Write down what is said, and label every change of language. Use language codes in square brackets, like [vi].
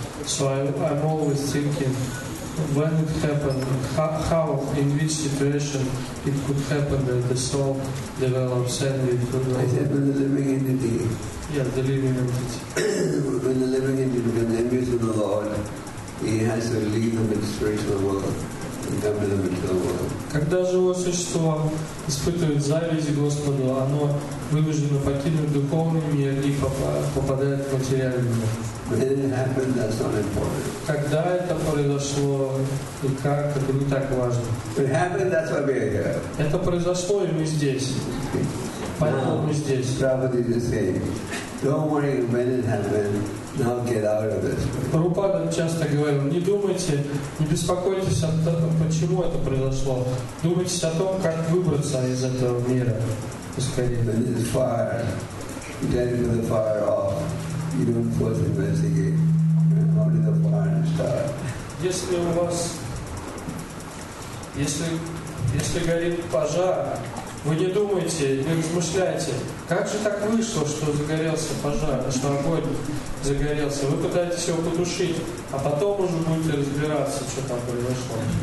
[en] So I'm always thinking, when it happened, how, in which situation it could happen that the soul develops envy to the Lord? I said, when the living entity. Yeah, the living entity. When the living entity becomes envy to the Lord, he has to leave the material world and come to the material world. [ru] Когда живое существо испытывает зависть к Господу, оно вынуждено покинуть духовный мир и попадает в материальный мир. [en] When it happened, that's not important. [ru] Когда это произошло и как, это не так важно. [en] It happened, that's why we're here. [ru] Это произошло и мы здесь. Поэтому мы здесь. [en] Prabhupada is saying, don't worry when it happened. Now get out of this. [ru] Прабхупада часто говорил, не думайте, не беспокойтесь о том, почему это произошло. Думайте о том, как выбраться из этого мира. [en] When it is fire, you turn the fire off. You don't force investigate. How did the fire start? [ru] Если у вас, если горит пожар, вы не думаете, не размышляете, как же так вышло, что загорелся пожар, что огонь загорелся. Вы пытаетесь его потушить, а потом уже будете разбираться, что там произошло.